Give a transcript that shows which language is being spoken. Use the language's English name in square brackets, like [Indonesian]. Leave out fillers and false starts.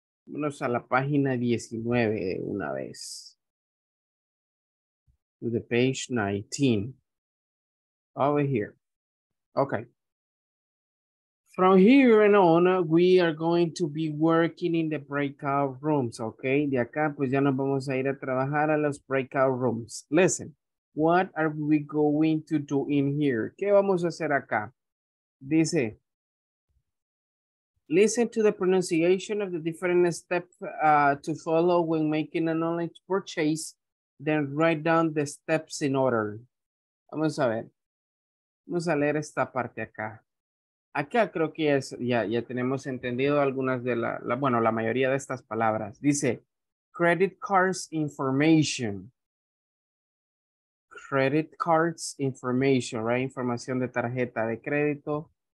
[Spanish] Vamos a la página 19 de una vez. [English] To the page 19. Over here. Okay. From here and on, we are going to be working in the breakout rooms, okay? [Spanish] De acá, pues ya nos vamos a ir a trabajar a los breakout rooms. [English] Listen, what are we going to do in here? [Spanish] ¿Qué vamos a hacer acá? Dice, [English] listen to the pronunciation of the different steps to follow when making an online purchase, then write down the steps in order. [Spanish] Vamos a ver. Vamos a leer esta parte acá. Acá creo que ya tenemos entendido algunas de la mayoría de estas palabras. Dice, [English] credit cards information. Credit cards information, right? [Spanish] Información de tarjeta de crédito.